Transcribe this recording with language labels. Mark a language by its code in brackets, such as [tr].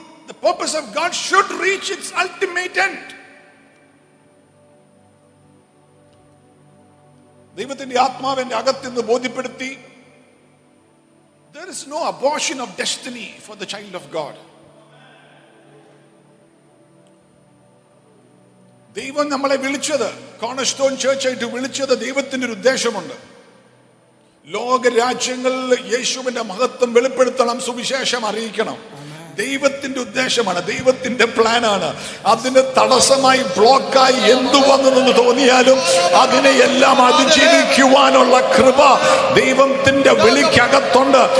[en] The purpose of God should reach its ultimate end. [ml] ദൈവത്തിന്റെ ആത്മാവ് എന്റെ അകത്തുനിന്ന് ബോധ്യപ്പെടുത്തി. [en] There is no abortion of destiny for the child of God. [ml] ദൈവം നമ്മളെ വിളിച്ചത്, കോണസ്റ്റോൺ ചേർച്ച് ആയിട്ട് വിളിച്ചത് ദൈവത്തിന്റെ ഒരു ഉദ്ദേശമുണ്ട്. ലോക രാജ്യങ്ങളിൽ യേശുവിന്റെ മഹത്വം വെളിപ്പെടുത്തണം, സുവിശേഷം അറിയിക്കണം. ദൈവത്തിന്റെ ഉദ്ദേശമാണ്, ദൈവത്തിന്റെ പ്ലാനാണ്. അതിന് തടസ്സമായി ബ്ലോക്കായി എന്തു വന്നു എന്ന് തോന്നിയാലും അതിനെ എല്ലാം അതിജീവിക്കുവാനുള്ള കൃപ ദൈവത്തിന്റെ വിളിക്കകത്തുണ്ട്.